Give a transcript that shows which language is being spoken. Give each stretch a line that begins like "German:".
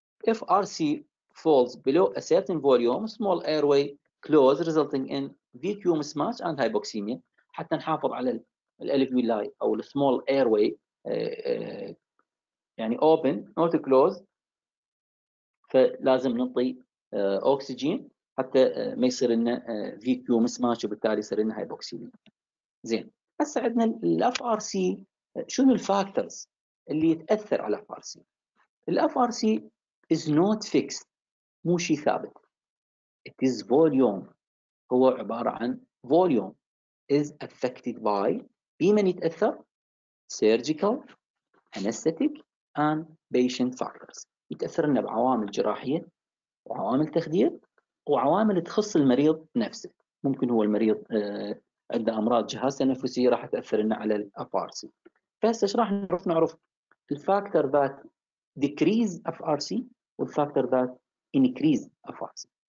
English: F R C falls below a certain volume small airway close resulting in V Q mismatch and hypoxemia,
Arabic: حتى نحافظ على الالفيولاي او السمول اير واي يعني اوبن نوت كلوز، فلازم نعطي اوكسجين حتى ما يصير لنا في كيو مس ماتش، وبالتالي يصير لنا هايبوكسيميا. زين، هسه عندنا الاف ار سي، شنو الفاكتورز اللي يتاثر على الاف ار سي؟
English: الاف R C is not fixed,
Arabic: مو شيء ثابت.
English: it is volume,
Arabic: هو عباره عن فوليوم.
English: is affected by
Arabic: بمن يتأثر؟
English: surgical, anesthetic and patient factors.
Arabic: يتأثرنا بعوامل جراحية وعوامل تخدير وعوامل تخص المريض نفسه. ممكن هو المريض عنده أمراض جهاز تنفسي راح تأثرنا على FRC. فهسه اشرح نعرف
English: the factor that decrease FRC وال factor that increase FRC.